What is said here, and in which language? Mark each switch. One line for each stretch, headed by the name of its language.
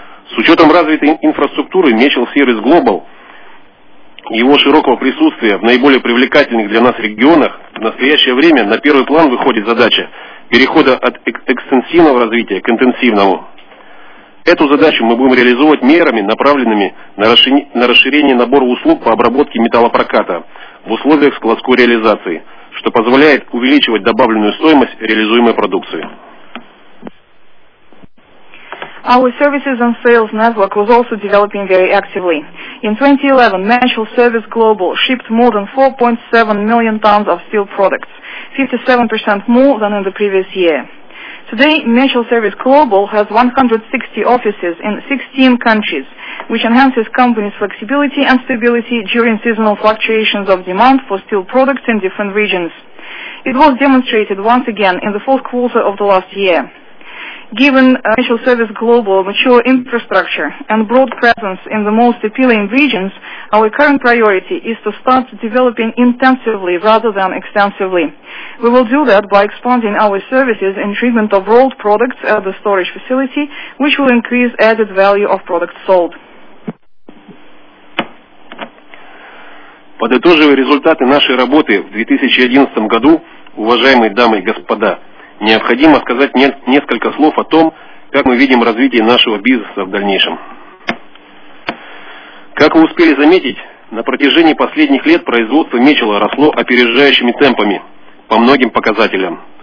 Russian: С учетом развитой инфраструктуры Mitchell Service Global и его широкого присутствия в наиболее привлекательных для нас регионах, в настоящее время на первый план выходит задача перехода от экстенсивного развития к интенсивному. Эту задачу мы будем реализовывать мерами, направленными на расширение набора услуг по обработке металлопроката в условиях складской реализации, что позволяет увеличивать добавленную стоимость реализуемой продукции.
English: Our services and sales network was also developing very actively. In 2011, Mitchell Service Global shipped more than 4.7 million tons of steel products, 57% more than in the previous year. Today, Mitchell Service Global has 160 offices in 16 countries, which enhances company's flexibility and stability during seasonal fluctuations of demand for steel products in different regions. It was demonstrated once again in the fourth quarter of the last year. Given Mitchell Service Global mature infrastructure and broad presence in the most appealing regions, our current priority is to start developing intensively rather than extensively. We will do that by expanding our services in treatment of rolled products at the storage facility, which will increase added value of products sold.
Russian: Подытоживая результаты нашей работы в 2011 году, уважаемые дамы и господа, необходимо сказать несколько слов о том, как мы видим развитие нашего бизнеса в дальнейшем. Как вы успели заметить, на протяжении последних лет производство Mitchell росло опережающими темпами по многим показателям.